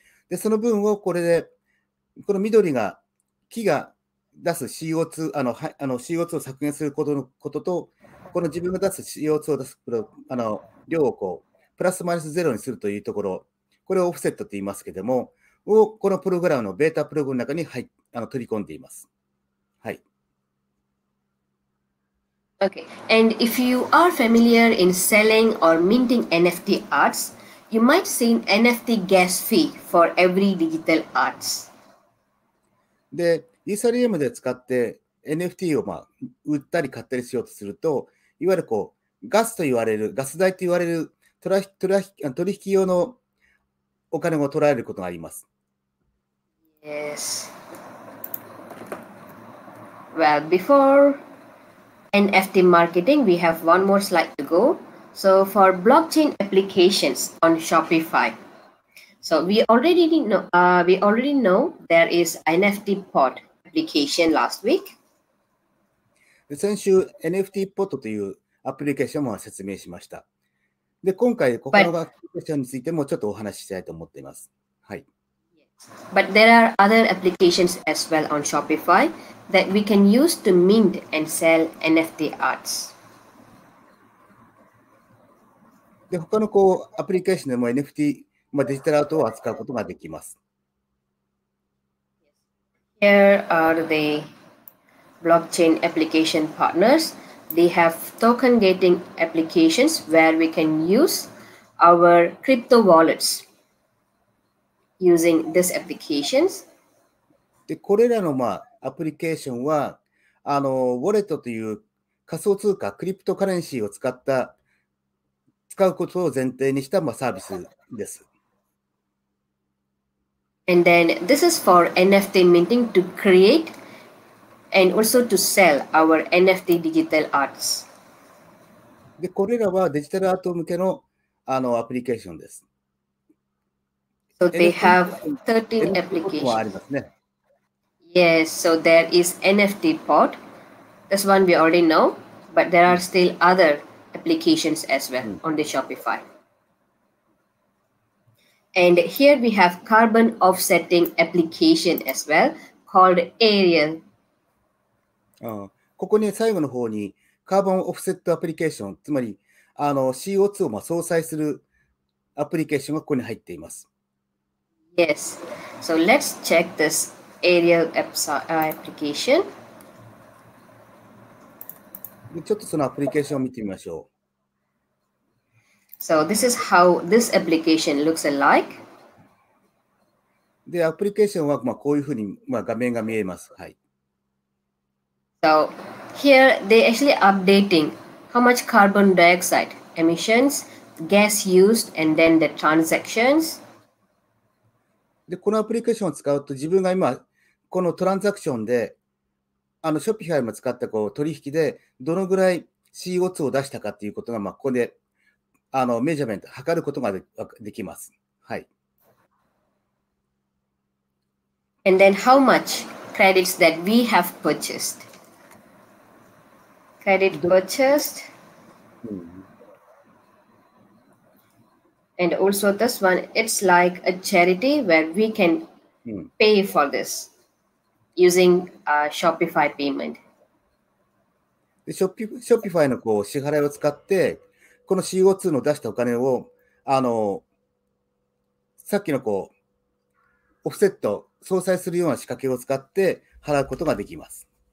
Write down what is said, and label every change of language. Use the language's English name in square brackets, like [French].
[Japanese] でその分をこれで、この緑が、木が出す CO2、あの CO2 を削減することのことと、この自分が出す CO2 を出すあの量をこうプラスマイナスゼロにするというところ、これをオフセットと言いますけれども、をこのプログラムのベータプログラムの中に入取り込んでいます。はい。 [English] Okay. And if you are familiar in selling or minting NFT arts, you might see NFT gas fee for every digital arts. [Japanese] で、イーサリアムで使って NFT を、まあ、売ったり買ったりしようとすると、いわゆるこうガスと言われる、ガス代と言われる取引用のお金を取られることがあります。 [English] Yes. Well, before NFT marketing, we have one more slide to go. So for blockchain applications on Shopify. So we already know there is NFT pod application last week. [Japanese] 先週 NFT pod というアプリケーションも説明しました。で、今回ここのアプリケーションについてもちょっとお話ししたいと思っています。はい。 [English] But there are other applications as well on Shopify that we can use to mint and sell NFT arts. [Japanese] で、他のこうアプリケーションでも NFT、まあ、デジタルアートを扱うことができます。 [English] Here are the blockchain application partners. They have token gating applications where we can use our crypto wallets. Using this applications. [Japanese] で、これらの、まあ、アプリケーションは、ウォレットという仮想通貨、クリプトカレンシーを使うことを前提にした、まあ、サービスです。 [English] And then this is for NFT minting to create and also to sell our NFT digital arts. [Japanese] で、これらはデジタルアート向けの、アプリケーションです。 [English] So they have 13 applications. Yes, so there is NFT pod. This one we already know, but there are still other applications as well on the Shopify. And here we have carbon offsetting application as well called Ariel. [Japanese] ここに最後の方にカーボンオフセットアプリケーション、つまり CO2 をまあ相殺するアプリケーションがここに入っています。 [English] Yes, so let's check this Ariel application. [Japanese] ちょっとそのアプリケーションを見てみましょう。 [English] So this is how this application looks like. [Japanese] で、アプリケーションはまあこういうふうに、まあ、画面が見えます。はい。 [English] So here they actually updating how much carbon dioxide emissions, gas used, and then the transactions. [Japanese] でこのアプリケーションを使うと自分が今このトランザクションでShopifyも使ったこう取引でどのぐらい CO2 を出したかということが、まあ、ここでメジャーメント測ることが できます。はい。 [English] And then how much credits that we have purchased? Credit purchased?、And also this one, it's like a charity where we can pay for this using a Shopify payment. [Japanese] Shopify のこう支払いを使って、この CO2 の出したお金を、さっきのこうオフセット、相殺するような仕掛けを使って払うことができます。